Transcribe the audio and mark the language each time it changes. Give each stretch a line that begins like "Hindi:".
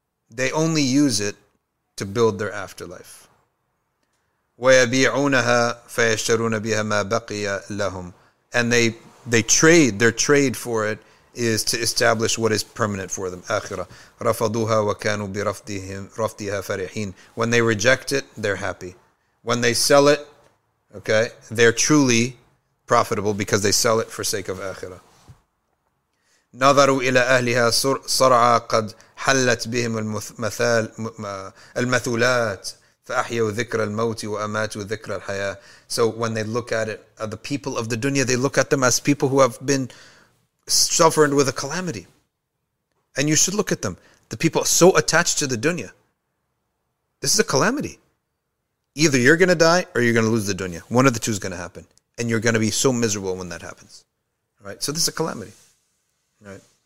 English: They only use it to build their afterlife.
Arabic: وَيَبِيعُونَهَا فَيَشْتَرُونَ بِهَا مَا بَقِيَ لَهُمْ.
English: And they trade, their trade for it is to establish what is permanent for them.
Arabic: Akhira. رَفَضُوهَا وَكَانُوا بِرَفْضِهَا فَرِحِينَ.
English: When they reject it, they're happy. When they sell it, okay, they're truly profitable because they sell it for sake of akhira.
Arabic: نظروا إلى أهلها صرعا قد حلت بهم المثولات فأحيوا ذكر الموت وأماتوا ذكر الحياة.
English: So when they look at it, the people of the dunya, they look at them as people who have been suffering with a calamity. And you should look at them. The people are so attached to the dunya. This is a calamity. Either you're going to die or you're going to lose the dunya. One of the two is going to happen. And you're going to be so miserable when that happens. Right? So this is a calamity. Right.